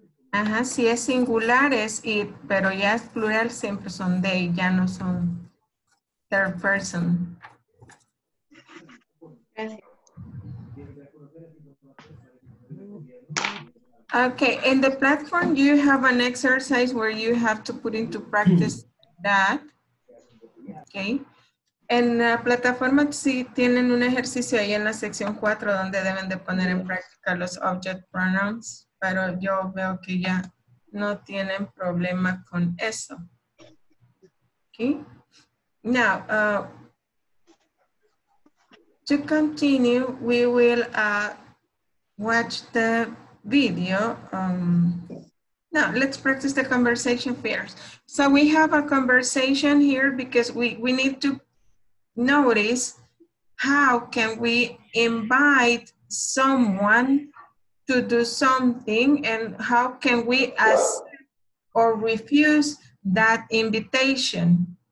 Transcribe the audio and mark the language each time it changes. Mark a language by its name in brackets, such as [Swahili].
[Spanish] Ajá, si es singular es it, pero ya es plural, siempre son they, ya no son third person. [English] Okay, in the platform you have an exercise where you have to put into practice that. Okay. [Spanish] En la plataforma sí tienen un ejercicio ahí en la sección 4 donde deben de poner en práctica los object pronouns, pero yo veo que ya no tienen problema con eso. [English] Okay. Now, to continue, we will watch the video. Now, let's practice the conversation first. So we have a conversation here because we need to notice how can we invite someone to do something and how can we ask or refuse that invitation.